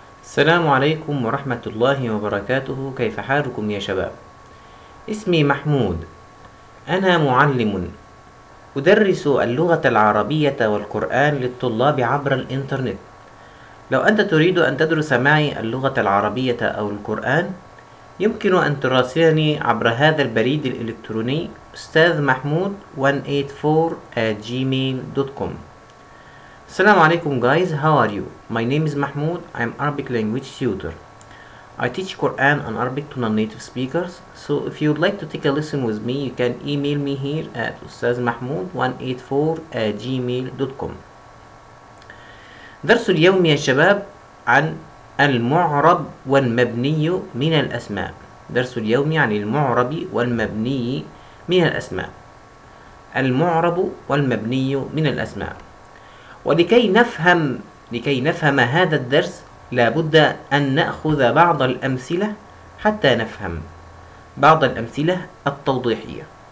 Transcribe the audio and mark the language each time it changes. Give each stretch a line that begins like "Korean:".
Arabic: السلام عليكم ورحمة الله وبركاته، كيف حالكم يا شباب؟ اسمي محمود، أنا معلم أدرس اللغة العربية والقرآن للطلاب عبر الإنترنت. لو أنت تريد أن تدرس معي اللغة العربية أو القرآن، يمكن أن تراسلني عبر هذا البريد الإلكتروني أستاذ محمود 184@gmail.com.
English: Assalamu alaikum guys, how are you? My name is Mahmoud, I am Arabic language tutor. I teach Quran and Arabic to non-native speakers, so if you would like to take a listen with me, you can email me here at ustazmahmoud184@gmail.com.
Arabic: درس اليوم يا شباب عن المعرب والمبني من الأسماء. درس اليوم يعني المعرب والمبني من الأسماء. المعرب والمبني من الأسماء. ولكي نفهم هذا الدرس، لابد أن نأخذ بعض الأمثلة حتى نفهم بعض الأمثلة التوضيحية.